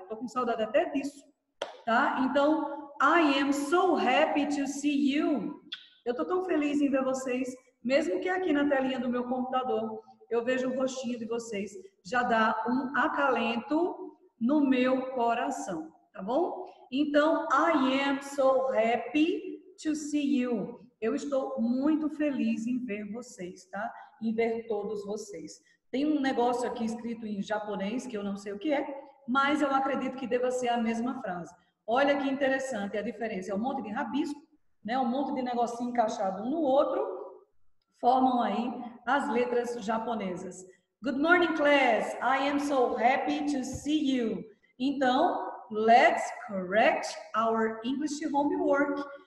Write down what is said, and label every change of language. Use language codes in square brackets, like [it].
[pt] Tô com saudade até disso, tá? Então, [en] I am so happy to see you, [pt] eu tô tão feliz em ver vocês, mesmo que aqui na telinha do meu computador, eu vejo o rostinho de vocês, já dá um acalento no meu coração, tá bom? [en] Então, I am so happy to see you. [pt] Eu estou muito feliz em ver vocês, tá? Em ver todos vocês. Tem um negócio aqui escrito em japonês, que eu não sei o que é, mas eu acredito que deva ser a mesma frase. Olha que interessante a diferença. É um monte de rabisco, né? Um monte de negocinho encaixado um no outro, formam aí as letras japonesas. [en] Good morning, class. I am so happy to see you. Então, let's correct our English homework.